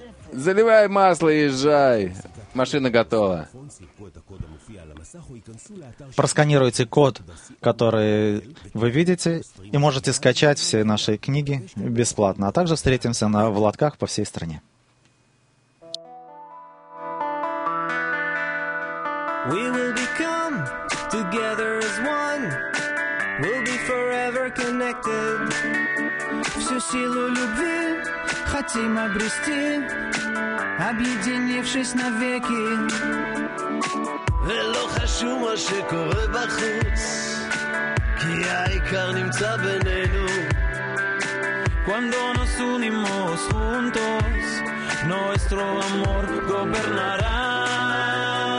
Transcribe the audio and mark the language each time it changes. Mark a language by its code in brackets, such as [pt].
[ru] Заливай масло и езжай. Машина готова. Просканируйте код, который вы видите, и можете скачать все наши книги бесплатно. А также встретимся на лотках по всей стране. [en] We will become together as one. We'll be forever connected. [ru] Всю силу любви хотим обрести, объединившись навеки. [he] ולא חשוב מה שקורה בחוץ, כי העיקר נמצא בינינו. [es] Cuando nos unimos juntos, nuestro amor gobernará.